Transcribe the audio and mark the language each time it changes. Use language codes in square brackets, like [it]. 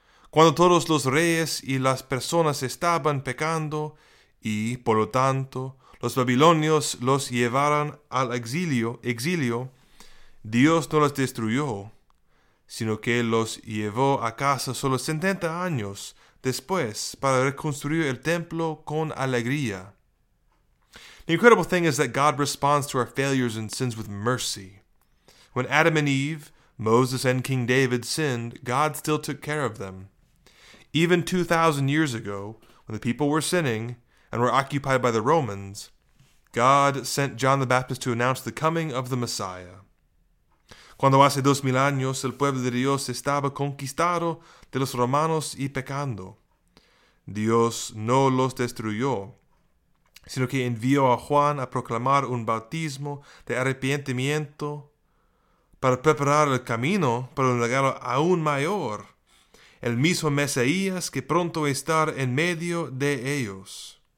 [es] Cuando todos los reyes y las personas estaban pecando, y, por lo tanto, los babilonios los llevaron al exilio, Dios no los destruyó, sino que los llevó a casa solo 70 años después para reconstruir el templo con alegría. [en] The incredible thing is that God responds to our failures and sins with mercy. When Adam and Eve, Moses and King David sinned, God still took care of them. Even 2,000 years ago, when the people were sinning and were occupied by the Romans, God sent John the Baptist to announce the coming of the Messiah. [es] Cuando hace 2,000 años el pueblo de Dios estaba conquistado de los romanos y pecando, Dios no los destruyó, sino que envió a Juan a proclamar un bautismo de arrepentimiento para preparar el camino para un regalo aún mayor, el mismo Mesías que pronto estará en medio de ellos.